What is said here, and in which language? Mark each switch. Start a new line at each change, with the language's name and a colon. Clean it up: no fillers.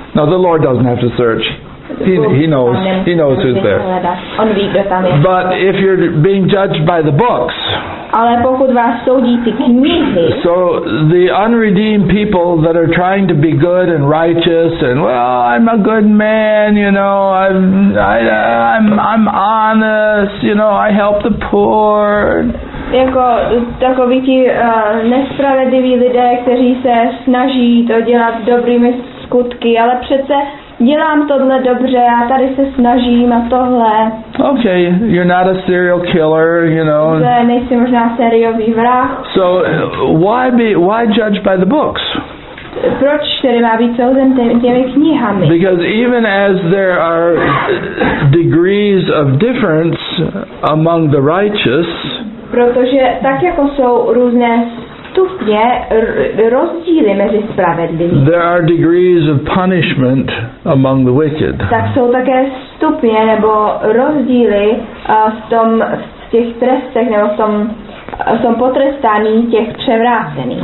English: No, the Lord doesn't have to search. He knows. He knows who's there.
Czech: On ví, kdo tam je.
English: But if you're being judged by the books.
Czech: Ale pokud vás soudí ty knihy.
English: So the unredeemed people that are trying to be good and righteous and I'm a good man, you know, I'm honest, you know, I help the poor.
Czech: Jako takoví ti nespravedliví lidé, kteří se snaží to dělat dobrými skutky, ale přece dělám tohle dobře, já tady se snažím a tohle.
English: Okay, you're not a serial killer, you know.
Czech: Ne, nejsi možná sériový vrah.
English: So, why judge by the books?
Czech: Proč tedy má být souzen těmi knihami?
English: Because even as there are degrees of difference among the righteous,
Czech: protože tak jako jsou různé stupně rozdíly mezi spravedlivými.
English: There are degrees of punishment among the wicked.
Czech: Tak jsou také stupně nebo rozdíly v těch trestech nebo v tom potrestání těch převrácených.